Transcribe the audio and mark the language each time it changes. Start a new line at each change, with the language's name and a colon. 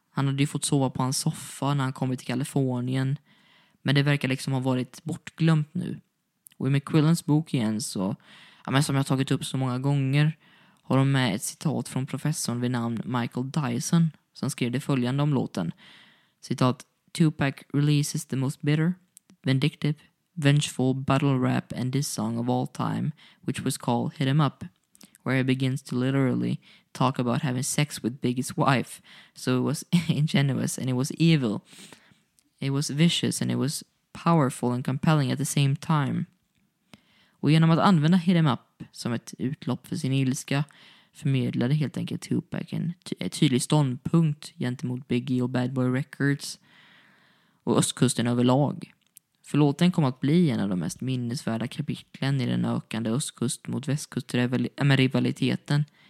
Swedish: Han hade ju fått sova på hans soffa när han kom till Kalifornien. Men det verkar liksom ha varit bortglömt nu. Och i McQuillans bok igen så, som jag har tagit upp så många gånger, har de med ett citat från professorn vid namn Michael Dyson som skrev det följande om låten.
English: Citat: "Tupac releases the most bitter, vindictive, vengeful battle rap and diss song of all time, which was called Hit 'em Up, where he begins to literally talk about having sex with Biggie's wife. So it was ingenuous and it was evil. It was vicious and it was powerful and compelling at the same time."
Swedish: Och genom att använda Hit 'em Up som ett utlopp för sin ilska förmedlade helt enkelt Tupac en tydlig ståndpunkt gentemot Biggie och Bad Boy Records och östkusten överlag. För låten kom att bli en av de mest minnesvärda kapitlen i den ökande östkust mot västkust rivaliteten.